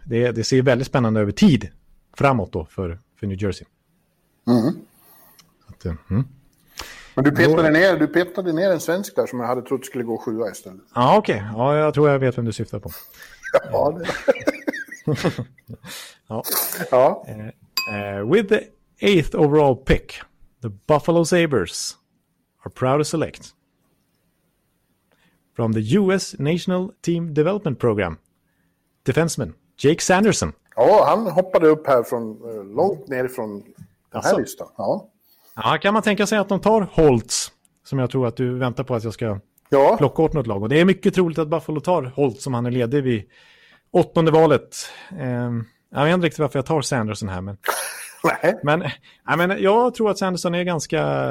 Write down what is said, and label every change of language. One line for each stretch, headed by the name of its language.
Swedish: Det ser väldigt spännande över tid framåt då för New Jersey. Men du petade ner en svensk där som jag hade trott skulle gå sjua istället. Ja, okej. Okay. Ja, jag tror jag vet vem du syftar på. Ja, det. Ja. Ja.
English: With the 8th overall pick, the Buffalo Sabres are proud to select from the US National Team Development Program defenseman Jake Sanderson.
Swedish: Ja, han hoppade upp här från långt ner från den här listan. Ja. Ja, kan man tänka sig att de tar Holtz, som jag tror att du väntar på att jag ska plocka åt något lag, och det är mycket troligt att Buffalo tar Holtz, som han är ledig vid 8:e valet. Jag vet inte riktigt varför jag tar Sanderson här. Men, men jag tror att Sanderson är ganska...